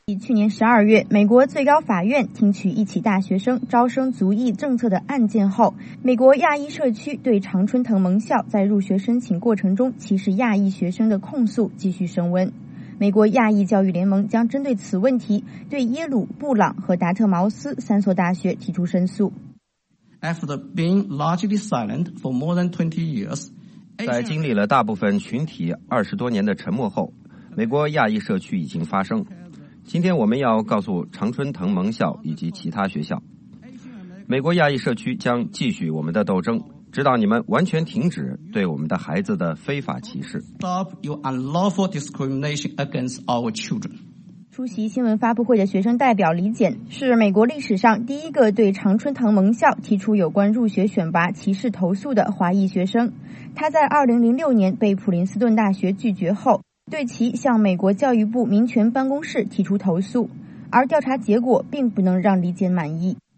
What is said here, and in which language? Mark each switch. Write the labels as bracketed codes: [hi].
[zh] 去年12月美国最高法院听取一起大学生招生族裔政策的案件后，美国亚裔社区对常春藤盟校在入学申请过程中歧视亚裔学生的控诉继续升温。美国亚裔教育联盟将针对此问题对耶鲁、布朗和达特茅斯三所大学提出申诉。 [en] After being largely silent for more than 20 years， [zh] 在经历了大部分群体20多年的沉默后，美国亚裔社区已经发声。今天我们要告诉常春藤盟校以及其他学校，美国亚裔社区将继续我们的斗争，直到你们完全停止对我们的孩子的非法歧视。 [en] Stop your unlawful discrimination against our children。 [zh] 出席新闻发布会的学生代表李简是美国历史上第一个对常春藤盟校提出有关入学选拔歧视投诉的华裔学生。他在2006年被普林斯顿大学拒绝后，对其向美国教育部民权办公室提出投诉，而调查结果并不能让李简满意。